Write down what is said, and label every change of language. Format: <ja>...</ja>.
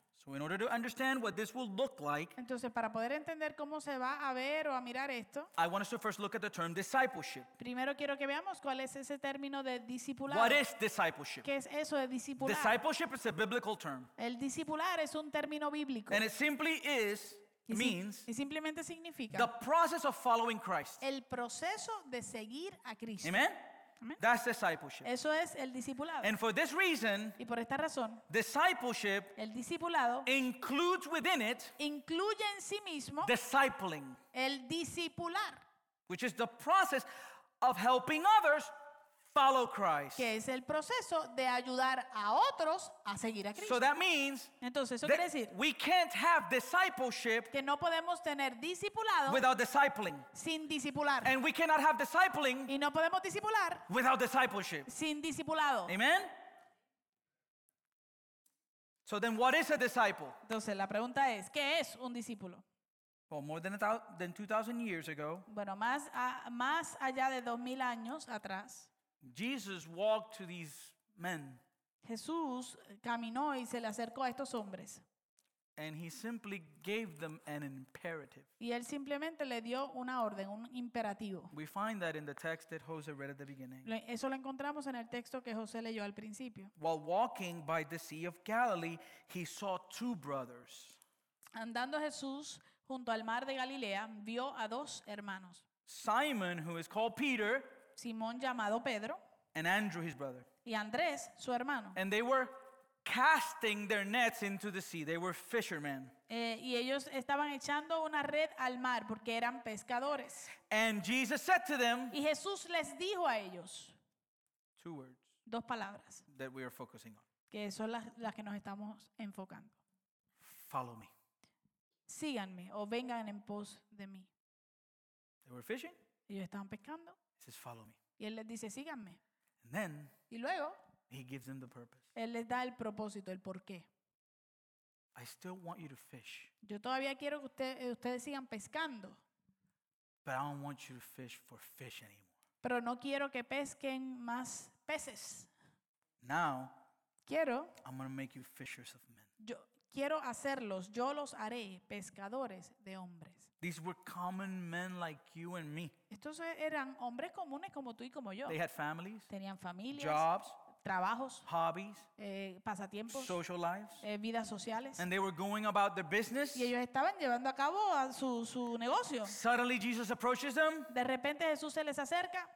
<en>So in order to understand what this will look like.</en> <es>Entonces para poder entender cómo se va a ver o a mirar esto.</es> <en>I want us to first look at the term discipleship.</en> <es>Primero quiero que veamos cuál es ese término de discipular.</es> <en>What is discipleship?</en> <es>¿Qué es eso de discipular?</es> <en>Discipleship is a biblical term.</en> <es>El discipular es un término bíblico.</es> <en>And it simply is. Means</en> <es>y simplemente significa</es> <en>the process of following Christ.</en> <es>El proceso de seguir a Cristo.</es> <en>Amen? Amen. That's discipleship.</en> <es>Eso es el discipulado.</es> <en>And for this reason,</en> <es>y por esta razón,</es> <en>discipleship,</en> <es>el discipulado,</es> <en>includes within it,</en> <es>incluye en sí mismo,</es> <en>discipling,</en> <es>el discipular,</es> <en>which is the process of helping others follow Christ.</en> <es>Que es el proceso de ayudar a otros a seguir a Cristo.</es> <en>So that means,</en> <es>entonces eso quiere decir,</es> <en>we can't have discipleship,</en> <es>que no podemos tener discipulado,</es> <en>without discipling,</en> <es>sin discipular.</es> <en>And we cannot have discipling,</en> <es>y no podemos discipular,</es> <en>without discipleship,</en> <es>sin discipulado.</es> <en>Amen. So then what is a disciple?</en> <es>Entonces la pregunta es, ¿qué es un discípulo?</es> <en>Well, more than 2000 years ago.</en> <es>Bueno, más allá de 2000 años atrás.</es> <en>Jesus walked to these men.</en> <es>Jesús caminó y se le acercó a estos hombres.</es> <en>And he simply gave them an imperative.</en> <es>Y él simplemente le dio una orden, un imperativo.</es> <en>We find that in the text that Jose read at the beginning.</en> <es>Eso lo encontramos en el texto que José leyó al principio.</es> <en>While walking by the Sea of Galilee, he saw two brothers.</en> <es>Andando Jesús junto al mar de Galilea, vio a dos hermanos.</es> <en>Simon, who is called Peter,</en> <es>Simón llamado Pedro,</es> <en>and Andrew his brother,</en> <es>y Andrés su hermano,</es> <en>and they were casting their nets into the sea. They were fishermen.</en> <es>Y ellos estaban echando una red al mar porque eran pescadores.</es> <en>And Jesus said to them,</en> <es>y Jesús les dijo a ellos,</es> <en>two words,</en> <es>dos palabras,</es> <en>that we are focusing on,</en> <es>que son las que nos estamos enfocando.</es> <en>Follow me.</en> <es>Síganme o vengan en pos de mí.</es> <en>They were fishing.</en> <es>Ellos estaban pescando.</es> <en>He says, follow me.</en> <es>Y él les dice, síganme.</es> <en>And then,</en> <es>y luego,</es> <en>he gives them the purpose.</en> <es>Él les da el propósito, el porqué.</es> <en>I still want you to fish.</en> <es>Yo todavía quiero que ustedes sigan pescando.</es> <en>But I don't want you to fish for fish anymore.</en> <es>Pero no quiero que pesquen más peces.</es> <en>Now,</en> <es>quiero,</es> <en>I'm going to make you fishers of men.</en> <es>Yo quiero hacerlos, yo los haré pescadores de hombres.</es> <en>These were common men like you and me.</en> <es>Estos eran hombres comunes como tú y como yo.</es> <en>They had families.</en> <es>Tenían familias.</es> <en>Jobs.</en> <es>trabajos,</es> <en>hobbies,</en> <es>pasatiempos,</es> <en>social lives,</en> <es>vidas sociales,</es> <en>and they were going about their business.</en> <es>Y ellos estaban llevando a cabo su negocio.</es> <en>Suddenly Jesus approaches them.</en> <es>De repente Jesús se les acerca.</es>